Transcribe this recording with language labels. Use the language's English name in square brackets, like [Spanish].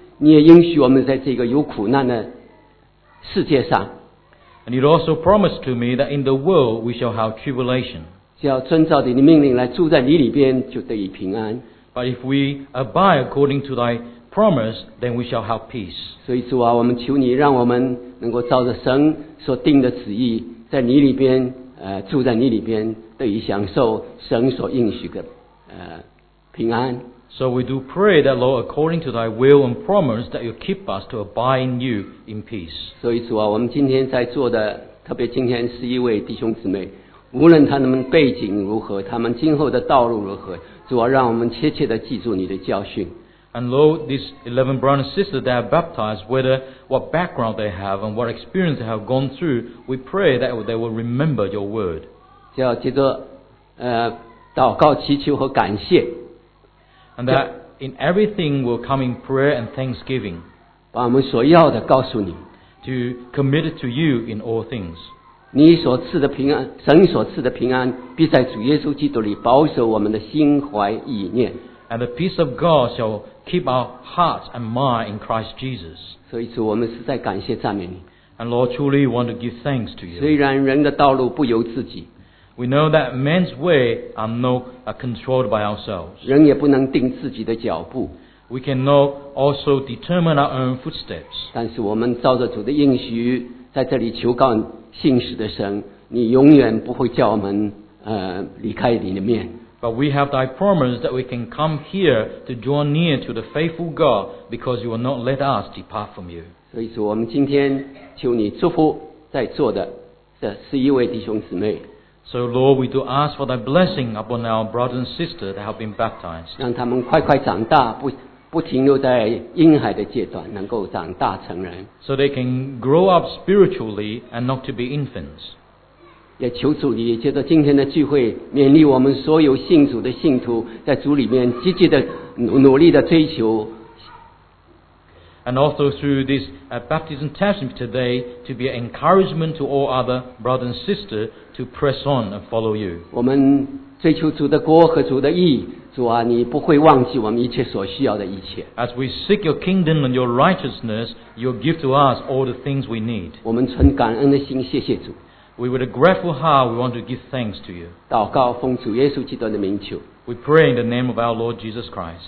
[Chinese] 你也应许我们在这个有苦难的世界上。 [English] And you also promised to me that in the world we shall have tribulation。 [Chinese] 只要遵照你的命令来住在你里边，就得以平安。 [English] But if we abide according to thy promise, then we shall have peace。 [Chinese] 所以主啊，我们求你让我们能够照着神所定的旨意，在你里边，住在你里边，得以享受神所应许的，平安。 [English] So we do pray that Lord, according to thy will and promise, that you keep us to abide in you in peace。 [Chinese] 所以主啊，我们今天在座的，特别今天十一位弟兄姊妹。无论他们背景如何，他们今后的道路如何，主啊，让我们切切地记住你的教训。 [English] And Lord, these 11 brothers and sisters that are baptized, whether what background they have and what experience they have gone through, we pray that they will remember your word. [Chinese] 就要借着祷告、祈求和感谢。 [English] And that in everything will come in prayer and thanksgiving. [Chinese] 把我们所要的告诉你。 [English] To commit it to you in all things. [Chinese] 你所赐的平安，神所赐的平安，必在主耶稣基督里保守我们的心怀意念。 [English] And the peace of God shall keep our hearts and mind in Christ Jesus。 [Chinese] 所以主，我们实在感谢赞美你。 [English] And Lord, truly want to give thanks to you。 [Chinese] 虽然人的道路不由自己 [English] ，We know that man's way are not controlled by ourselves。 [Chinese] 人也不能定自己的脚步 [English] ，We cannot also determine our own footsteps。 [Chinese] 但是我们照着主的应许，在这里求告你。信实的神，你永远不会叫我们离开你的面。 [English] But we have thy promise that we can come here to draw near to the faithful God because you will not let us depart from you。 [Chinese] 所以主，我们今天求你祝福在座的这十一位弟兄姊妹。 [English] So Lord, we do ask for thy blessing upon our brothers and sisters that have been baptized。 [Chinese] 让他们快快长大，不停留在婴孩的阶段，能够长大成人。 [English] So they can grow up spiritually and not to be infants。 [Chinese] 也求主你借着今天的聚会，勉励我们所有信主的信徒，在主里面积极的努力的追求。 [English] and also through this baptism testimony today to be an encouragement to all other brothers and sisters to press on and follow you. [Chinese] 我们追求主的国和主的义，主啊，你不会忘记我们一切所需要的一切。 [English] As we seek your kingdom and your righteousness, you'll give to us all the things we need. [Chinese] 我们存感恩的心，谢谢主。 [English] We with a grateful heart, we want to give thanks to you. [Chinese] 祷告奉主耶稣基督的名求。 [English] We pray in the name of our Lord Jesus Christ.